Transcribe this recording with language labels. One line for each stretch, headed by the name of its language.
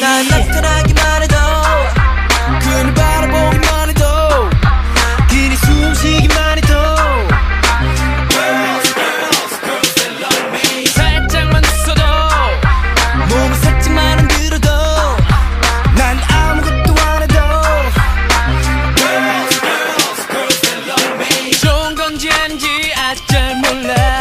Korean: 난 나타나기만 해도 그녀 바라보기만 해도 길이 숨쉬기만 해도
English: Girls, girls, girls, they love me
Korean: 살짝만 웃어도 몸을 살짝만 흔들어도 난 아무것도 안 해도
English: Girls, girls, girls, they love me
Korean: 좋은 건지 아닌지 아직 잘 몰라